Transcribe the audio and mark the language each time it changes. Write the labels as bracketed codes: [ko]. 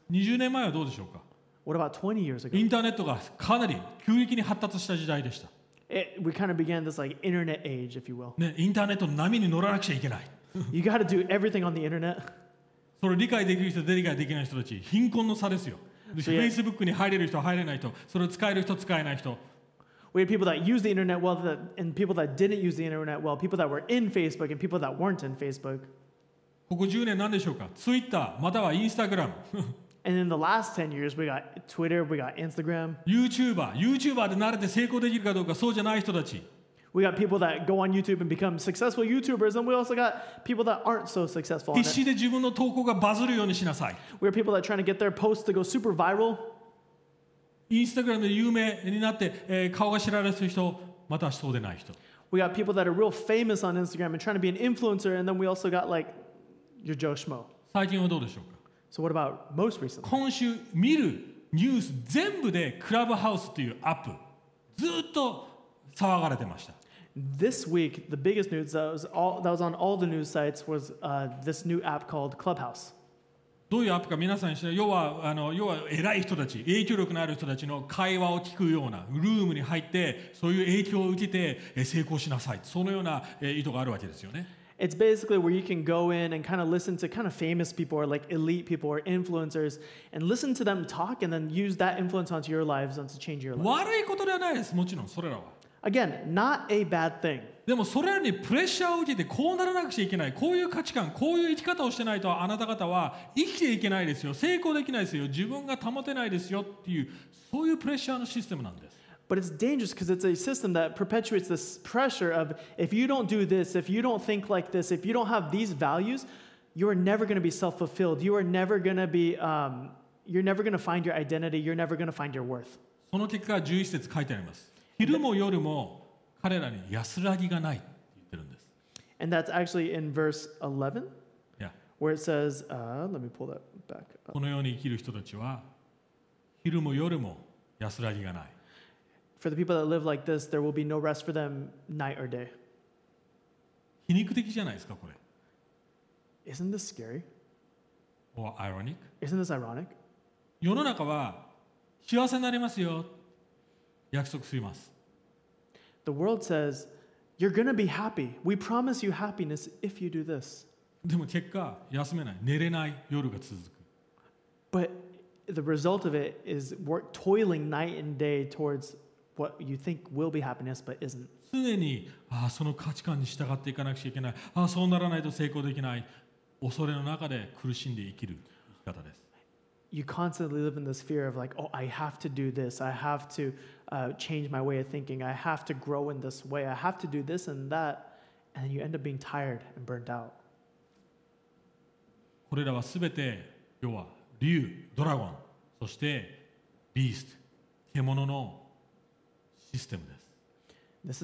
[ja] 20年前はどうでしょうか? [en] What about 20 years ago? [ja] インターネットがかなり急激に発達した時代でした。 [en] We kind of began this like internet age, if you will. [ja] ね、インターネットの波に乗らなくちゃいけない。 [en] You got to do everything on the internet. [ja] それ理解できる人、理解できない人たち、貧困の差ですよ。 Facebook に入れる人、入れない人、それを使える人、使えない人。 [en] We had people that used the internet well, and people that didn't use the internet well, people that were in Facebook, and people that weren't in Facebook. [ja] ここ10年何でしょうか?Twitter、または Instagram。 [en] And in the last 10 years, we got Twitter, we got Instagram. [ja] YouTuber で慣れて成功できるかどうか、そうじゃない人たち。 [en] We got people that go on YouTube and become successful YouTubers, and we also got people that aren't so successful. [ja] 必死で自分の投稿がバズるようにしなさい。 [en] We got people that are trying to get their posts to go super viral. [ja] Instagram で有名になって、顔が知られてる人、またそうでない人。 [en] We got people that are real famous on Instagram and trying to be an influencer, and then we also got like your Joe Schmo. [ja] 最近はどうでしょうか。 [en] So what about most recently? [ja] 今週見るニュース全部でクラブハウスというアップずっと騒がれてました。 [en] This week, the biggest news that was on all the news sites was this new app called Clubhouse. [ja] どういうアップか皆さん知らない。要は偉い人たち、影響力のある人たちの会話を聞くようなルームに入って、そういう影響を受けて成功しなさい。そのような意図があるわけですよね。 [en] It's basically where you can go in and kind of listen to kind of famous people or like elite people or influencers and listen to them talk and then use that influence onto your lives and to change your life. [ja] 悪いことではないです。もちろんそれらは。 [en] Again, not a bad thing. [ja] でもそれらにプレッシャーを受けてこうならなくちゃいけない。こういう価値観、こういう生き方をしてないとあなた方は生きていけないですよ。成功できないですよ。自分が保てないですよっていうそういうプレッシャーのシステムなんです。 [en] But it's dangerous because it's a system that perpetuates this pressure of, if you don't do this, if you don't think like this, if you don't have these values, you are never going to be self-fulfilled. You are never going to be, you're never going to find your identity. You're never going to find your worth. [ja] その結果11節書いてあります。昼も夜も彼らに安らぎがないって言ってるんです。 [en] And that's actually in verse 11. Yeah. Where it says, let me pull that back up. [ja] このように生きる人たちは昼も夜も安らぎがない。 [en] For the people that live like this, there will be no rest for them night or day. [ja] 皮肉的じゃないですか、これ。 [en] Isn't this scary? Or ironic? Isn't this ironic? [ja] 世の中は幸せになりますよ。約束します。 [en] The world says, you're going to be happy. We promise you happiness if you do this. [ja] でも結果、休めない。寝れない夜が続く。 [en] But the result of it is work toiling night and day towards what you think will be happiness but isn't. [ja] 常に、ああ、その価値観に従っていかなくちゃいけない。ああ、そうならないと成功できない。恐れの中で苦しんで生きる生き方です。 [en] You constantly live in this fear of like, oh, I have to do this. I have to change my way of thinking. I have to grow in this way. I have to do this and that. And you end up being tired and burnt out. [ja] これらはすべて、要は、竜、ドラゴン、そして、ビースト、獣のシステムです。